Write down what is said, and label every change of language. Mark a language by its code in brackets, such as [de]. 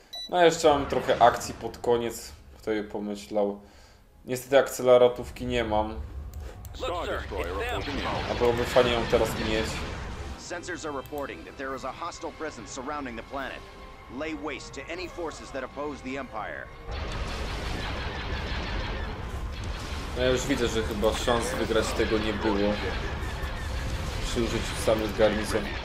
[pl] No jeszcze mam trochę akcji pod koniec, kto je pomyślał. Niestety akceleratówki nie mam. A byłoby fajnie ją teraz mieć. [en] Sensors are reporting that there is a hostile presence surrounding the planet. Lay waste to any forces that oppose the Empire. [pl] No ja już widzę, że chyba szans wygrać tego nie było. Przy użyciu samych garnizon.